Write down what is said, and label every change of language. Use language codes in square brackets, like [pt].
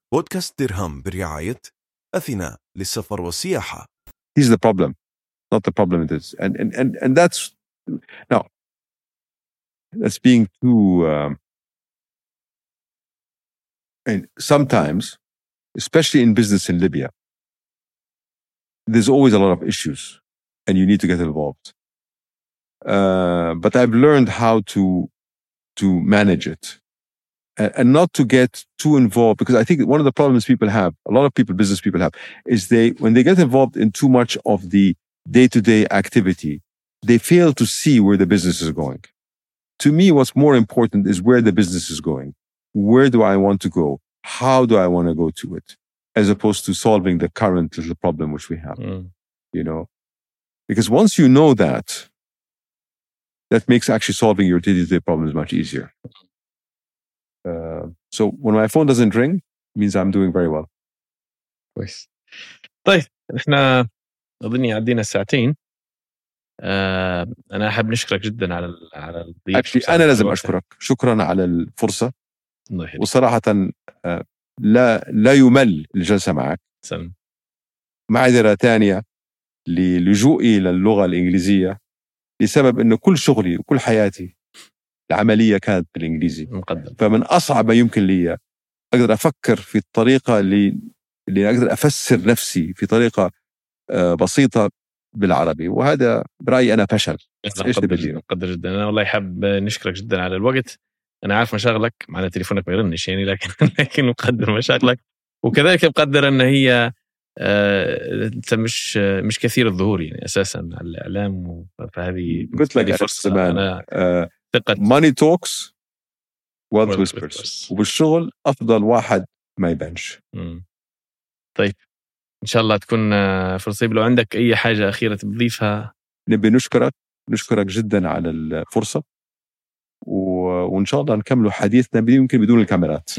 [ar] بودكاست درهم برعاية أثينا للسفر والسياحة. [en] This is the problem, not the problem it is. And that's now that's being too. And sometimes, especially in business in Libya, there's always a lot of issues, and you need to get involved. But I've learned how to manage it. and not to get too involved, because I think one of the problems people have, a lot of people, business people have, is they, when they get involved in too much of the day-to-day activity, they fail to see where the business is going. To me, what's more important is where the business is going. Where do I want to go? How do I want to go to it? As opposed to solving the current little problem which we have. You know, because once you know that, that makes actually solving your day-to-day problems much easier. So when my phone doesn't ring, it means I'm doing very well. [ar] كويس. طيب احنا اظني عدينا ساعتين. انا احب نشكرك جدا على على الضيف. [en] Actually, [ar] انا لازم اشكرك. شكرا على الفرصه. نحن. وصراحه لا يمل الجلسه معك. سلام. معذره ثانيه للجوئي للغه الانجليزيه لسبب انه كل شغلي وكل حياتي العملية كانت بالإنجليزي مقدم. فمن أصعب ما يمكن لي أقدر أفكر في الطريقة اللي أقدر أفسر نفسي في طريقة بسيطة بالعربي، وهذا برأيي أنا فشل. مقدر جدا. أنا والله حاب نشكرك جدا على الوقت. أنا عارف مشاغلك، معنا تليفونك بيرنش يعني، لكن مقدر مشاغلك، وكذلك مقدر أن هي أنت مش كثير الظهور يعني أساسا على الإعلام، فهذه قلت لك فرصة. أنا [en] Money talks, wealth whispers. [ar] وبالشغل أفضل واحد [en] my bench. [ar] طيب إن شاء الله تكون فرصة. لو عندك أي حاجة أخيرة تضيفها. نبي نشكرك جدا على الفرصة، وإن شاء الله نكمل حديثنا يمكن بدون الكاميرات.